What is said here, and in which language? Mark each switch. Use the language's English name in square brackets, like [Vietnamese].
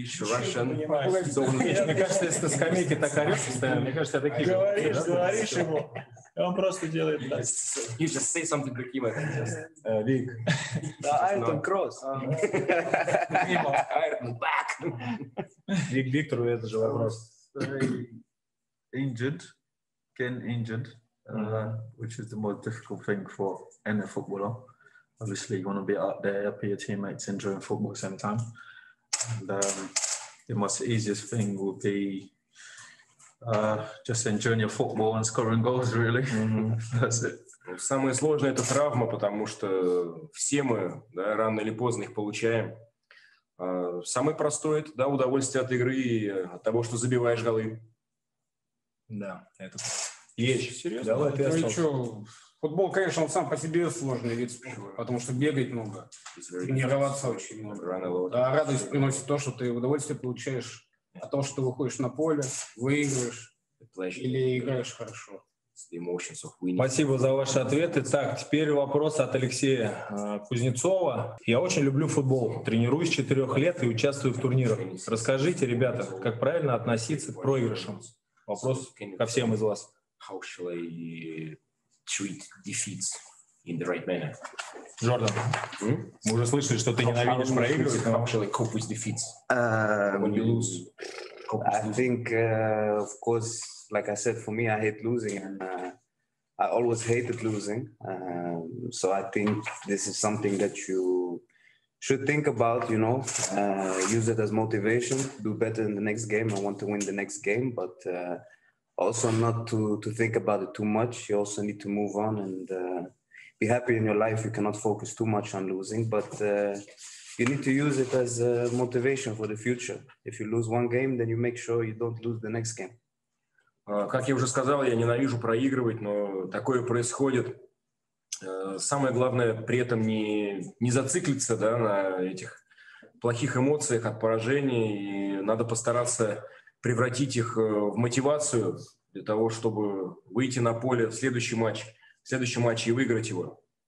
[Russian] Мне кажется, если на скамейке так орешь, мне кажется, я такие... Говоришь ему, и он просто делает так. [English] You just say something to him. [Russian] Вик. Айртон Кросс. Айртон. Вик Виктору это же вопрос. [English] Injured, which is the most difficult thing for any footballer. Obviously, you want to be out there, up your teammates, enjoying football at the same time. And the most easiest thing would be just enjoying your football and scoring goals, really. That's it. [Russian] Самое сложное – это травма, потому что все мы, да, рано или поздно их получаем. Самое простое – это, да, удовольствие от игры и от того, что забиваешь голы. Да, это есть. Серьезно? Давай, ты остался. Что, футбол, конечно, сам по себе сложный вид спорта, потому что бегать много, тренироваться очень много. А радость приносит то, что ты удовольствие получаешь от того, что выходишь на поле, выигрываешь или играешь хорошо. Спасибо за ваши ответы. Так, теперь вопрос от Алексея Кузнецова. Я очень люблю футбол, тренируюсь 4 лет и участвую в турнирах. Расскажите, ребята, как правильно относиться к проигрышам? Вопрос ко всем из вас. [English] How shall I treat defeats in the right manner? [Russian] Джордан, мы уже слышали, что ты ненавидишь проигрывать. [English] How shall I cope with defeats? When you lose? I think, of course, like I said, for me, I hate losing, and I always hated losing. So I think this is something that you should think about, you know, use it as motivation, do better in the next game. I want to win the next game, but also not to think about it too much. You also need to move on and be happy in your life. You cannot focus too much on losing, but you need to use it as motivation for the future. If you lose one game, then you make sure you don't lose the next game. [Russian] Как я уже сказал, я ненавижу проигрывать, но такое происходит. Самое главное при этом не зациклиться, да, на этих плохих эмоциях от поражения, и надо постараться превратить их в мотивацию для того, чтобы выйти на поле в следующий матч, и выиграть его.